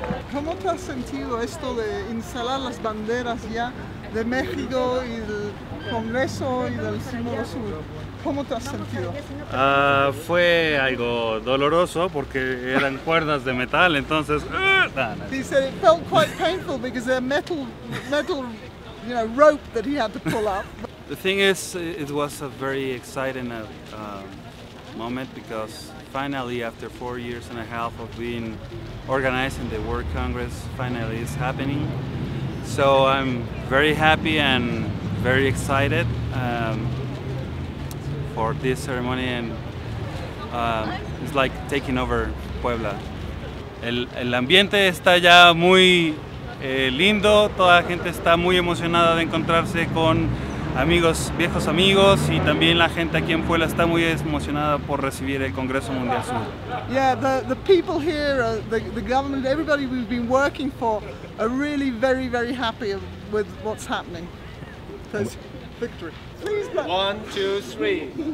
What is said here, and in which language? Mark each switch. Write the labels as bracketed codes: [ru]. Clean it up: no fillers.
[es] ¿Cómo te has sentido esto de instalar las banderas ya de México y del Congreso y del Símbolo Sur? ¿Cómo te has sentido? Fue algo doloroso porque eran cuerdas de metal, entonces... [en] He said it felt quite painful because they're metal, you know, rope that he had to pull up. The thing is, it was a very exciting moment because finally, after 4 years and a half of being organizing the World Congress, finally is happening. So I'm very happy and very excited for this ceremony, and it's like taking over Puebla. [es] El ambiente está ya muy lindo. Toda la gente está muy emocionada de encontrarse con amigos, viejos amigos, y también la gente aquí en Puebla está muy emocionada por recibir el Congreso Mundial Sur. [en] Yeah, the people here, the government, everybody we've been working for are really very, very happy with what's happening. There's victory. Please, but... 1, 2, 3.